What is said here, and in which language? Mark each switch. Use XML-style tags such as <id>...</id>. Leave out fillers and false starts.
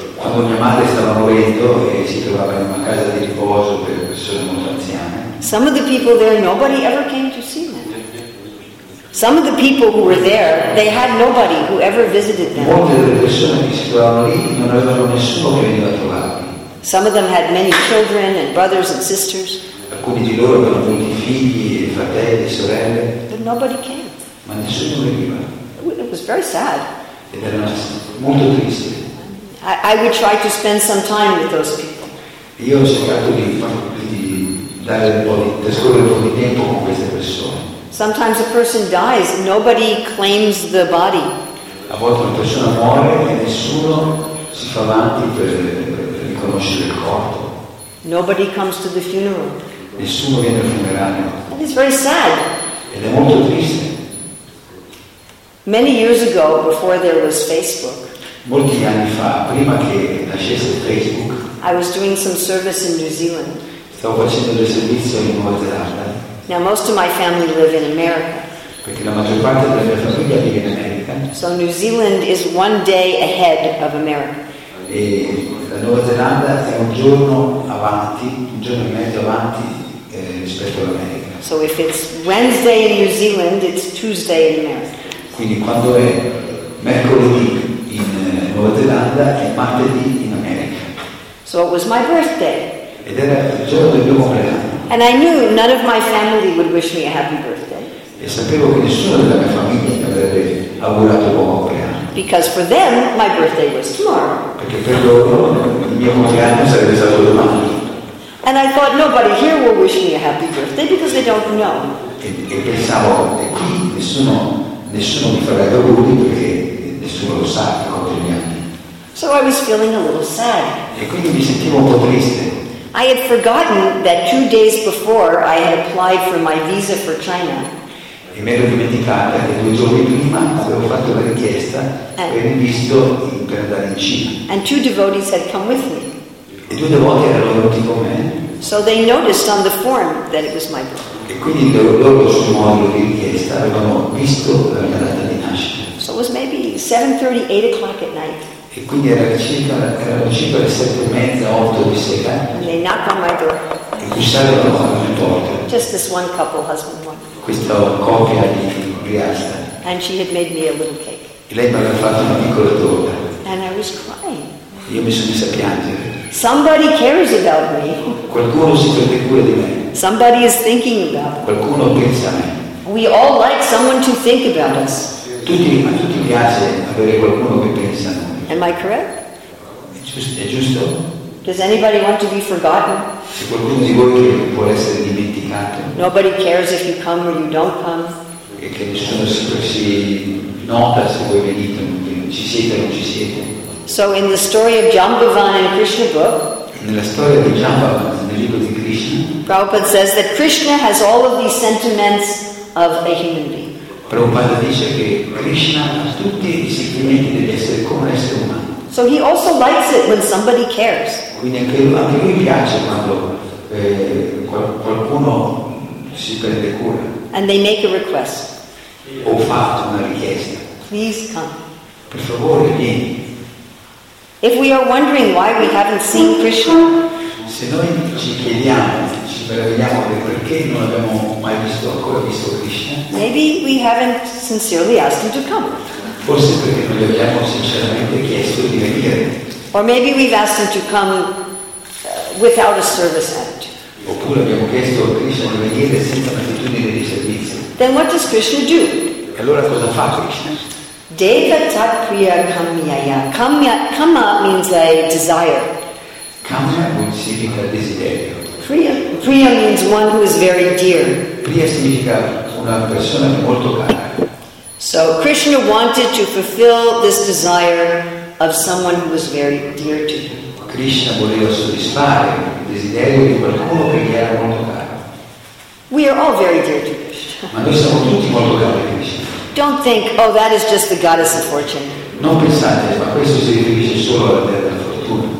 <it>Quando mia madre stava morendo e si trovava in una casa di riposo per persone molto anziane.</it> <en>Some of the people there, nobody ever came to see them. Some of the people who were there, they had nobody who ever visited them.</en> <it>Molte delle persone che si trovavano lì non avevano nessuno che veniva a trovarli.</it> <en>Some of them had many children and brothers and sisters.</en> <it>Alcuni di loro avevano molti figli, fratelli, sorelle.</it> <en>But nobody came.</en> <it>Ma nessuno veniva.</it> <en>It was very sad.</en> <it>Ed era molto triste.</it> <en>I would try to spend some time with those people.</en> <it>Io ho cercato di dare trascorrere un po' di tempo con queste persone.</it> <en>Sometimes a person dies, nobody claims the body.</en> <it>A volte una persona muore e nessuno si fa avanti per riconoscere il corpo.</it> <en>Nobody comes to the funeral.</en> <it>Nessuno viene al funerale.</it> <en>And it's very sad.</en> <it>Ed è molto triste.</it> <en>Many years ago, before there was Facebook.</en> <it>Molti anni fa, prima che nascesse Facebook.</it> <en>I was doing some service in New Zealand.</en> <it>Stavo facendo del servizio in Nuova Zelanda.</it> <en>Now most of my family live in America.</en> <it>Perché la maggior parte della mia famiglia vive in America.</it> <en>So New Zealand is one day ahead of America.</en> <it>E la Nuova Zelanda è un giorno avanti, un giorno e mezzo avanti rispetto all'America.</it> <en>So if it's Wednesday in New Zealand, it's Tuesday in America.</en> <it>Quindi quando è mercoledì in Nuova Zelanda è martedì in America.</it> <en>So it was my birthday.</en> <it>Ed era il giorno del mio compleanno.</it> <en>And I knew none of my family would wish me a happy birthday.</en> <it>E sapevo che nessuno della mia famiglia mi avrebbe augurato buon compleanno.</it> <en>Because for them my birthday was tomorrow.</en> <it>Perché per loro il mio compleanno sarebbe stato domani.</it> <en>And I thought nobody here will wish me a happy birthday because they don't know.</en> <it>E pensavo che qui nessuno mi farebbe auguri perché nessuno lo sa che conto gli anni.</it> <en>So I was feeling a little sad.</en> <it>E quindi mi sentivo un po' triste.</it> <en>I had forgotten that 2 days before I had applied for my visa for China.</en> <it>E mi ero dimenticata che 2 giorni prima avevo fatto la richiesta per il visto per andare in Cina.</it> <en>And 2 devotees had come with me.</en> <it>E 2 devoti erano venuti con me.</it> <en>So they noticed on the form that it was my birthday.</en> <it>E quindi loro sul modulo di richiesta avevano visto la mia data di nascita.</it> <en>So it was maybe 7:30, 8 o'clock at night.</en> <it>E quindi erano circa le 7:30, 8 di sera.</it> <en>And they knocked on my door.</en> <it>E bussarono alla mia porta.</it> <en>Just this one couple, husband and wife.</en> <it>Questa coppia di riasta.</it> <en>And she had made me a little cake.</en> <it>E lei mi aveva fatto una piccola torta.</it> <en>And I was crying.</en> <it>Io mi sono messa a piangere.</it> <en>Somebody cares about me.</en> <it>Qualcuno si prende cura di me.</it> <en>Somebody is thinking about me.</en> <it>Qualcuno pensa a me.</it> <en>We all like someone to think about us.</en> <it>A tutti piace avere qualcuno che pensa a noi.</it> <en>Am I correct?</en> <it>È giusto?</it> <en>Does anybody want to be forgotten?</en> <it>Se qualcuno di voi vuole essere dimenticato.</it> <en>Nobody cares if you come or you don't come.</en> <it>E che nessuno si nota se voi venite, ci siete o non ci siete.</it> <en>So in the story of Jambavan and Krishna book.</en> <it>Nella storia di Jambavan, nel libro di Krishna.</it> <en>Prabhupada says that Krishna has all of these sentiments of a human being.</en> <it>Prabhupada dice che Krishna ha tutti i sentimenti di essere come un essere umano.</it> <en>So he also likes it when somebody cares.</en> <it>Quindi anche lui piace quando qualcuno si prende cura.</it> <en>And they make a request.</en> <it>O fa una richiesta.</it> <en>Please come.</en> <it>Per favore vieni.</it> <en>If we are wondering why we haven't seen Krishna.</en> <it>Se noi ci meravigliamo del perché non abbiamo mai ancora visto Krishna.</it> <en>Maybe we haven't sincerely asked him to come.</en> <it>Forse perché non gli abbiamo sinceramente chiesto di venire.</it> <en>Or maybe we've asked him to come without a service attitude.</en> <it>Oppure abbiamo chiesto a Krishna di venire senza un'attitudine di servizio.</it> <en>Then what does Krishna do?</en> <it>E allora cosa fa Krishna?</it> <sa>Deva tat priya kamyaya.</sa> <en>Kamya means a desire.</en> <it>Kamya significa desiderio.</it> <en>Priya means one who is very dear.</en> <it>Priya significa una persona molto cara.</it> <en>So Krishna wanted to fulfill this desire of someone who was very dear to him.</en> <it>Krishna voleva soddisfare il desiderio di qualcuno che gli era molto caro.</it> <en>We are all very dear to Krishna.</en> <it>Ma noi siamo tutti molto cari a Krishna.</it> <en>Don't think, oh, that is just the goddess of fortune.</en> <it>Non pensate, ma questo si riferisce solo alla della fortuna.</it>